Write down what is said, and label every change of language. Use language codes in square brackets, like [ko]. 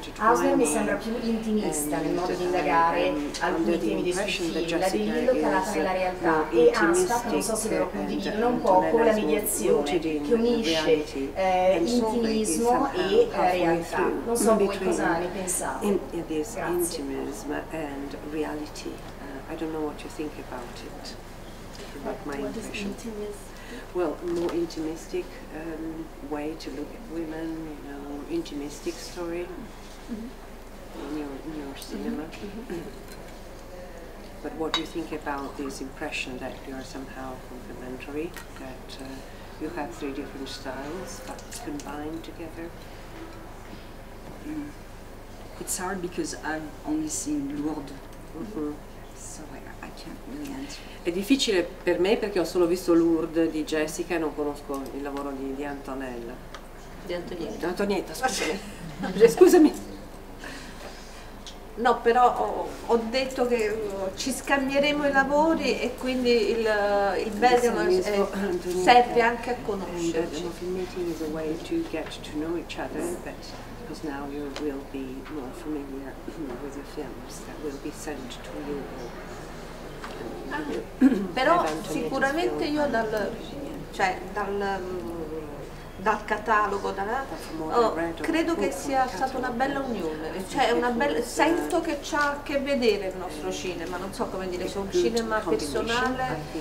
[it] Hausner mi sembra più intimista nel modo di indagare alcuni temi dei suoi film, la De Lillo calata nella realtà, e Aspak, non so se loro condividono un po', con la mediazione che unisce intimismo e realtà. Non so voi cosa ne pensate. [en] Intimism and reality. I don't know what you think about it. But my impression. What is intimism? Well, more intimistic way to look at women, you know, intimistic story in your cinema. Mm-hmm. But what do you think about this impression that you are somehow complementary, that you have three different styles but combined together? It's hard because I've only seen Lourdes. Mm-hmm. So I can't really answer. [it] È difficile per me perché ho solo visto Lourdes di Jessica e non conosco il lavoro di Antonella. Di Antonietta. Di Antonietta, scusami. Scusami. No, però ho detto che ci scambieremo i lavori e quindi il Bergamo serve anche a conoscerci. [en] The film meeting is a way to get to know each other, but because now you will be more familiar with the films that will be sent to you. [it] Però sicuramente io dal catalogo, credo che sia stata una bella unione, cioè sento che c'ha a che vedere il nostro cinema, non so come dire, c'è un cinema personale